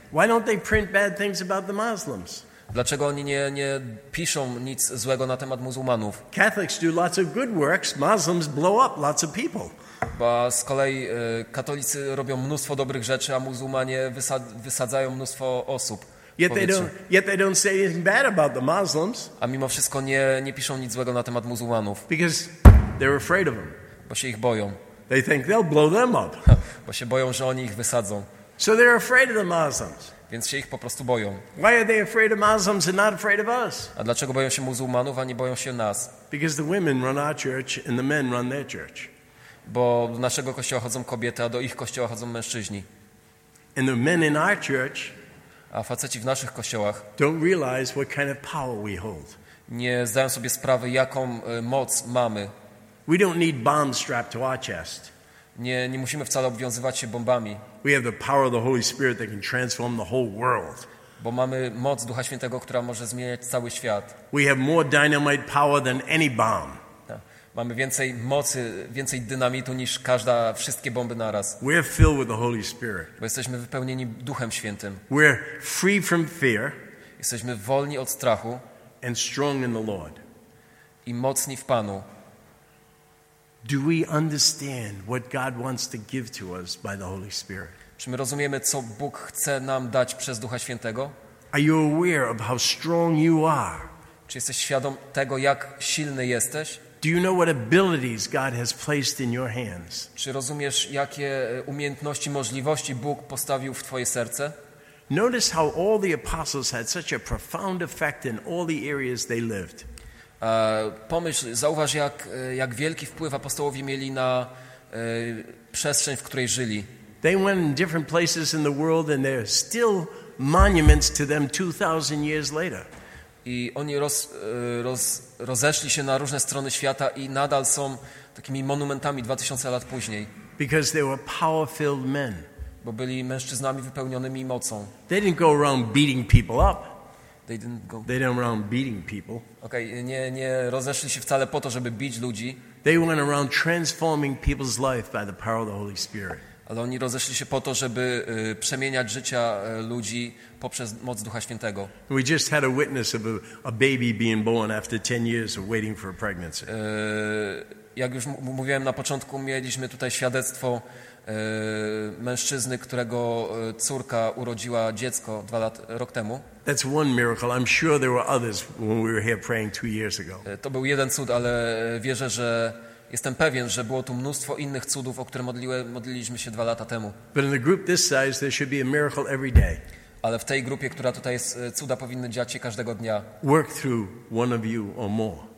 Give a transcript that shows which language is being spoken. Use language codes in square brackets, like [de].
[en] Why don't they print bad things about the Muslims? [pl] Dlaczego oni nie piszą nic złego na temat muzułmanów? [en] Catholics do lots of good works, Muslims blow up lots of people. [pl] Bo z kolei katolicy robią mnóstwo dobrych rzeczy, a muzułmanie wysadzają mnóstwo osób. [en] Yet they don't say anything bad about the Muslims. [pl] A mimo wszystko nie piszą nic złego na temat muzułmanów. [en] Because they're afraid of them. [pl] Bo się ich boją. [en] They think they'll blow them up. [pl] Bo się boją, że oni ich wysadzą. [en] So they're afraid of the Muslims. [pl] Więc się ich po prostu boją. [en] Why are they afraid of Muslims and not afraid of us? [pl] A dlaczego boją się muzułmanów, a nie boją się nas? [en] Because the women run our church and the men run their church. [pl] Bo do naszego kościoła chodzą kobiety, a do ich kościoła chodzą mężczyźni. [en] And the men in our church, [pl] a faceci w naszych kościołach, [en] don't realize what kind of power we hold. [pl] Nie zdają sobie sprawy, jaką moc mamy. [en] We don't need bombs strapped to our chest. [pl] Nie musimy wcale obwiązywać się bombami. [en] We have the power of the Holy Spirit that can transform the whole world. [pl] Bo mamy moc Ducha Świętego, która może zmieniać cały świat. [en] We have more dynamite power than any bomb. [pl] Mamy więcej mocy, więcej dynamitu niż każda wszystkie bomby naraz. [en] We're filled with the Holy Spirit. [pl] Bo jesteśmy wypełnieni Duchem Świętym. [en] We're free from fear. [pl] Jesteśmy wolni od strachu. [en] And strong in the Lord. [pl] I mocni w Panu. [en] Do we understand what God wants to give to us by the Holy Spirit? [pl] Czy my rozumiemy, co Bóg chce nam dać przez Ducha Świętego? [en] Are you aware of how strong you are? [pl] Czy jesteś świadom tego, jak silny jesteś? [en] Do you know what abilities God has placed in your hands? [pl] Czy rozumiesz, jakie umiejętności, możliwości Bóg postawił w twoje serce? [en] Notice how all the apostles had such a profound effect in all the areas they lived. [pl] Pomyśl, zauważ, jak wielki wpływ apostołowie mieli na przestrzeń, w której żyli. [en] They went in different places in the world and there are still monuments to them 2000 years later. [pl] I oni rozeszli się na różne strony świata i nadal są takimi monumentami 2000 lat później. [en] Because they were power-filled men. [pl] Bo byli mężczyznami wypełnionymi mocą. [en] They didn't go around beating people up. They didn't go around beating people. [pl] Okay, nie rozeszli się wcale po to, żeby bić ludzi. [en] They went around transforming people's life by the power of the Holy Spirit. [pl] Ale oni rozeszli się po to, żeby przemieniać życia ludzi poprzez moc Ducha Świętego. [en] We just had a witness of a baby being born after 10 years of waiting for a pregnancy. [pl] Jak już mówiłem na początku, mieliśmy tutaj świadectwo mężczyzny, którego córka urodziła dziecko rok temu. [en] That's one miracle. I'm sure there were others when we were here praying 2 years ago. [pl] To był jeden cud, ale wierzę, że jestem pewien, że było tu mnóstwo innych cudów, o które modliliśmy się 2 lata temu. [en] But in a group this size, there should be a miracle every day. [pl] Ale w tej grupie, która tutaj jest, cuda powinny dziać się każdego dnia. [en] Work through one of you or more.